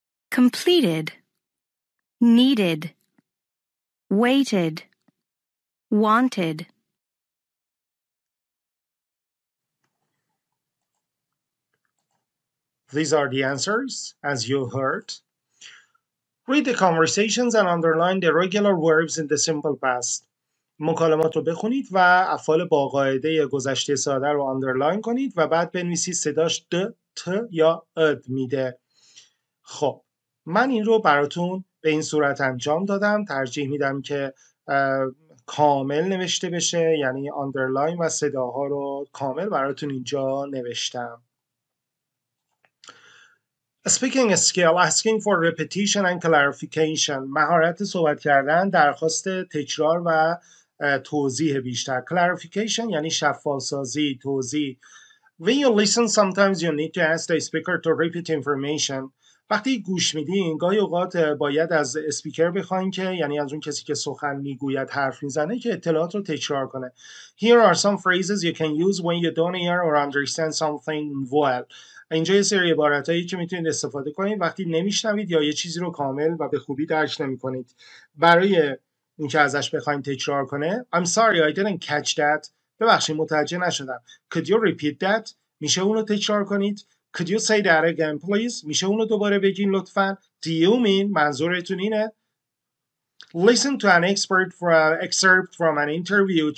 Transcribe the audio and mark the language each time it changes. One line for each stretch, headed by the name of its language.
English: Completed, needed. Waited, wanted. These are the answers, as you heard. Read the conversations and underline the regular verbs in the simple past.
Persian: مکالمات رو بخونید و افعال با قاعده گذشته ساده رو underline کنید و بعد بنویسید صداش د، ت یا اد میده. خب، من این رو براتون به این صورت انجام دادم. ترجیح میدم که کامل نوشته بشه، یعنی underline و صداها رو کامل براتون اینجا نوشتم.
English: Speaking skill, asking for repetition and clarification.
Persian: مهارت صحبت کردن، درخواست تکرار و توضیح بیشتر. Clarification یعنی شفاف سازی، توضیح.
English: When you listen, sometimes you need to ask the speaker to repeat information.
Persian: وقتی گوش میدین، گاهی اوقات باید از اسپیکر بخواین که، یعنی از اون کسی که سخن میگوید حرف میزنه، که اطلاعات رو تکرار کنه.
English: Here are some phrases you can use when you don't hear or understand something well.
Persian: اینجا یه سری عبارت هایی که میتونید استفاده کنید وقتی نمیشنوید یا یه چیزی رو کامل و به خوبی درک نمی کنید. برای اینکه ازش بخواید تکرار کنه،
English: I'm sorry I didn't catch that.
Persian: ببخشید متوجه نشدم.
English: Could you repeat that؟
Persian: میشه اونو تکرار کنید؟
English: Could you say that again please؟
Persian: میشه اونو دوباره بگین لطفاً؟
English: Do you mean؟
Persian: منظورتون اینه؟
English: Listen to an expert for an excerpt from an interview.